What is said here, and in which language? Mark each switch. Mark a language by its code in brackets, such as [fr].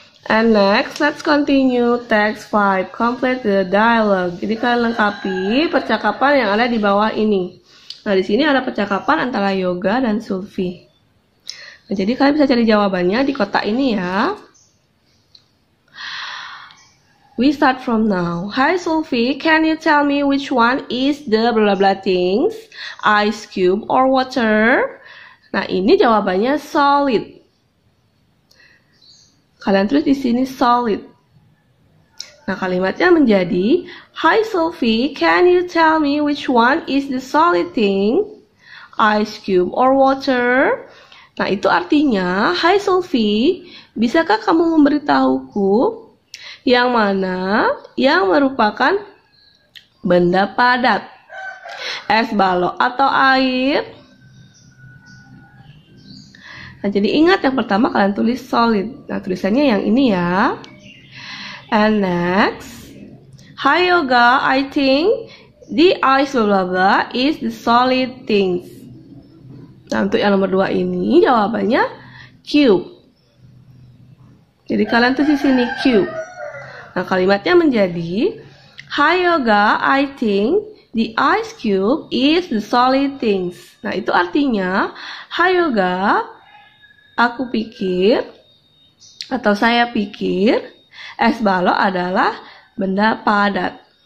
[en] And next, let's continue text 5. Complete the dialogue. [id] Jadi kalian lengkapi percakapan yang ada di bawah ini. Nah, di sini ada percakapan antara Yoga dan Sulfi. Nah, jadi kalian bisa cari jawabannya di kotak ini ya. [en] We start from now. Hi Sulfi, can you tell me which one is the blah blah things? Ice cube or water? [id] Nah, ini jawabannya solid. [en] Kalian tulis di sini solid. Nah, kalimatnya menjadi, Hi Sophie, can you tell me which one is the solid thing? [id] Ice cube or water? Nah, itu artinya, Hi Sophie, bisakah kamu memberitahuku yang mana yang merupakan benda padat? Es balok atau air? Nah, jadi ingat yang pertama kalian tulis solid. Nah, tulisannya yang ini ya. [en] And next, Hi Yoga, I think the ice blah blah blah is the solid things. [id] Nah, untuk yang nomor dua ini jawabannya cube. Jadi kalian tulis di sini cube. [en] Nah, kalimatnya menjadi, Hi Yoga, I think the ice cube is the solid things. [id] Nah, itu artinya, Hi Yoga, aku pikir atau saya pikir es balok adalah benda padat.